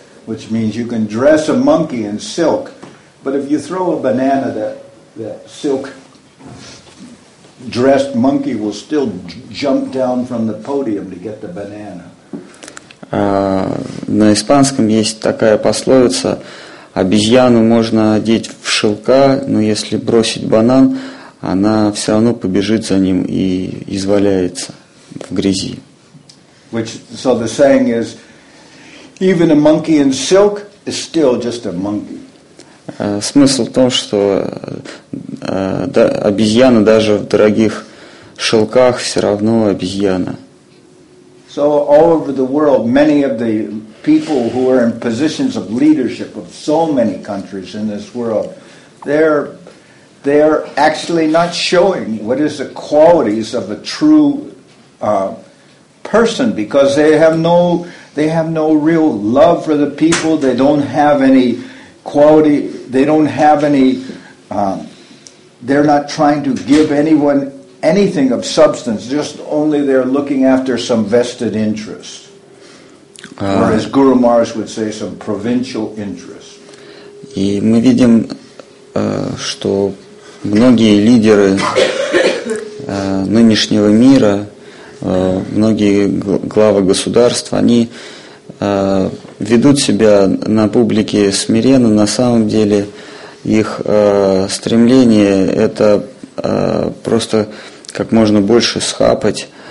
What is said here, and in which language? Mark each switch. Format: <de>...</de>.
<en>Which means you can dress a monkey in silk, but if you throw a banana, that silk-dressed monkey will still jump down from the podium to get the banana.</en> <ru>На испанском есть такая пословица: обезьяну можно одеть в шелка, но если бросить банан, она все равно побежит за ним и изваляется в грязи.</ru> <en>Which, so the saying is. Even a monkey in silk is still just a monkey.</en> <ru>Смысл в том, что обезьяна даже в дорогих шелках все равно обезьяна.</ru> <en>So all over the world, many of the people who are in positions of leadership of so many countries in this world, they're actually not showing what is the qualities of a true person because they have no. They have no real love for the people. They don't have any quality. They don't have any. They're not trying to give anyone anything of substance, just only they're looking after some vested interest. Or as Guru Maharaj would say, some provincial interest.</en> <ru>И мы видим, что многие лидеры нынешнего мира, многие главы государств, они ведут себя на публике смиренно. На самом деле их стремление – это просто как можно больше схапать.</ru>